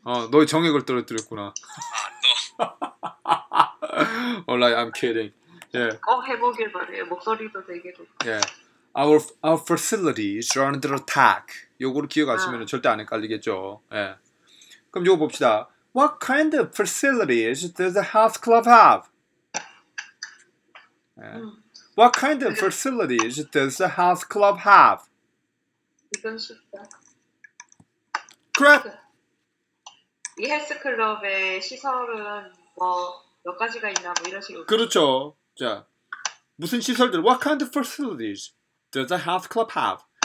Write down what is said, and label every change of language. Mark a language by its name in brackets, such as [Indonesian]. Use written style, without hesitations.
[Korean] 너의 정액을 떨어뜨렸구나. 아 너. [English] I'm kidding. 예. [Korean] 꼭 해보길 바래요. 목소리도 되게 좋고. [English] 예. Our facilities are under attack. [Korean] 요거를 기억하시면 절대 안 헷갈리겠죠. 예. 그럼 요거 봅시다. [English] What kind of facilities does the health club have? [Korean] 예. [English] What kind of facilities does the health club have? [Korean] 이건 쉽다. 그래. 이 헬스클럽의 시설은 뭐 몇 가지가 있나 뭐 이런 식으로. 그렇죠. 자, 무슨 시설들? [English] What kind of facilities does the health club have?